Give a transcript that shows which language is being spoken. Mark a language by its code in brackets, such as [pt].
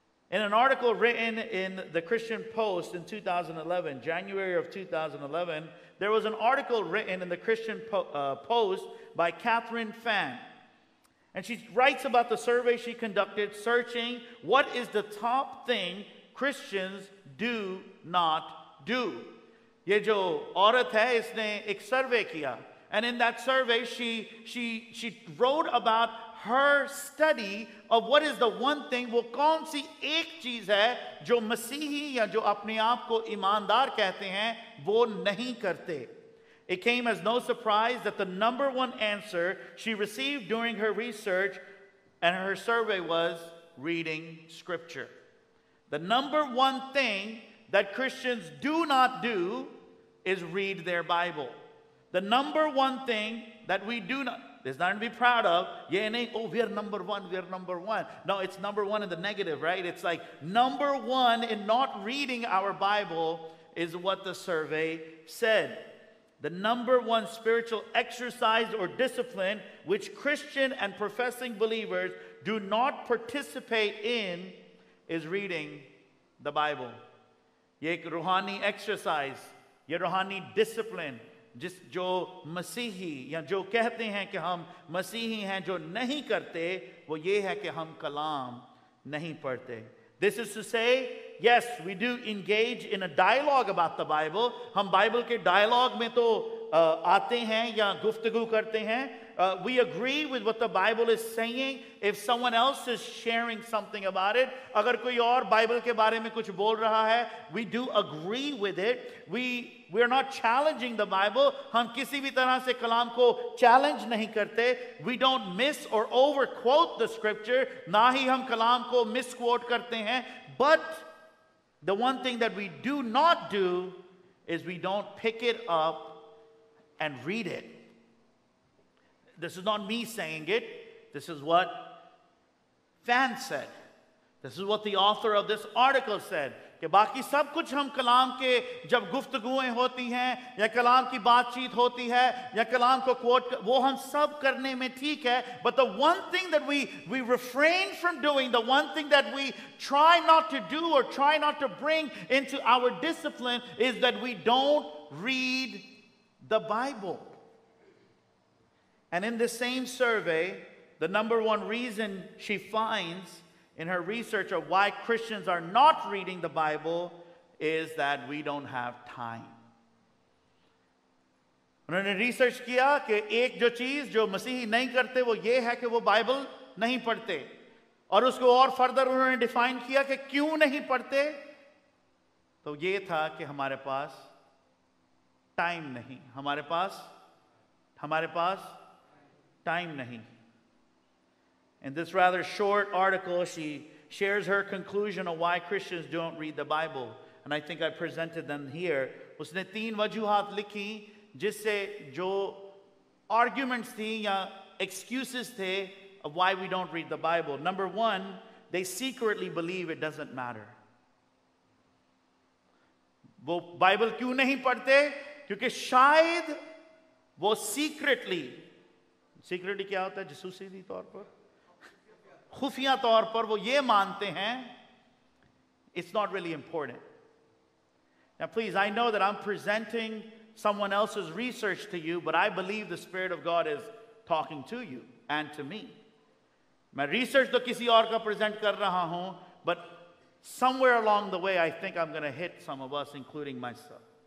[en] In an article written in the Christian Post in 2011, January of 2011, there was an article written in the Christian Post by Catherine Fan. And she writes about the survey she conducted searching what is the top thing Christians do not do. [hi] ये जो औरत है इसने एक सर्वे किया [en] and in that survey she wrote about her study of what is the one thing [hi] वो कौन सी एक चीज है जो मसीही या जो अपने आप को ईमानदार कहते हैं वो नहीं करते. [en] It came as no surprise that the number one answer she received during her research and her survey was reading scripture. The number one thing that Christians do not do is read their Bible. The number one thing that we do not, there's nothing to be proud of. Yeah, nay, oh, we are number one. No, it's number one in the negative, right? It's like number one in not reading our Bible is what the survey said. The number one spiritual exercise or discipline which Christian and professing believers do not participate in is reading the Bible. [hi] ये एक रूहानी exercise, ये रूहानी discipline, जिस जो मसीही या जो कहते हैं कि हम मसीही हैं जो नहीं करते वो ये है कि हम कलाम नहीं पढ़ते. [en] This is to say, yes, we do engage in a dialogue about the Bible. [hi] हम बाइबल के डायलॉग में तो आते हैं या गुफ्तगु करते हैं. [en] We agree with what the Bible is saying if someone else is sharing something about it. [hi] अगर कोई और बाइबल के बारे में कुछ बोल रहा है, [en] we do agree with it. We are not challenging the Bible. [hi] हम किसी भी तरह से कलाम को चैलेंज नहीं करते. [en] We don't miss or overquote the scripture. [hi] ना ही हम कलाम को misquote करते हैं. [en] But the one thing that we do not do is we don't pick it up and read it. This is not me saying it. This is what fans said. This is what the author of this article said. [hi] कि बाकी सब कुछ हम कलाम के जब गुफ्तगुएं होती हैं या कलाम की बातचीत होती है या कलाम को quote वो हम सब करने में ठीक है. [en] But the one thing that we refrain from doing, the one thing that we try not to do or try not to bring into our discipline is that we don't read the Bible. And in this same survey, the number one reason she finds in her research of why Christians are not reading the Bible is that we don't have time. [hi] उन्होंने research किया कि एक जो चीज जो मसीही नहीं करते वो ये है कि वो बाइबल नहीं पढ़ते. और उसको और फर्दर उन्होंने डिफाइन किया कि क्यों नहीं पढ़ते, तो ये था कि हमारे पास टाइम नहीं. हमारे पास time नहीं. [en] In this rather short article, she shares her conclusion of why Christians don't read the Bible. And I think I presented them here. [hi] उसने तीन वजूहात लिखी जिससे जो arguments थी या excuses थे [en] of why we don't read the Bible. Number one, they secretly believe it doesn't matter. [hi] वो Bible क्यों नहीं पढ़ते? क्योंकि शायद वो secretly क्या होता है, जासूसी तौर पर, खुफिया तौर पर वो ये मानते हैं, [en] it's not really important. Now please, I know that I'm presenting someone else's research to you, but I believe the Spirit of God is talking to you and to me. [hi] मैं रिसर्च तो किसी और का present कर रहा हूं, [en] but somewhere along the way, I think I'm going to hit some of us, including myself.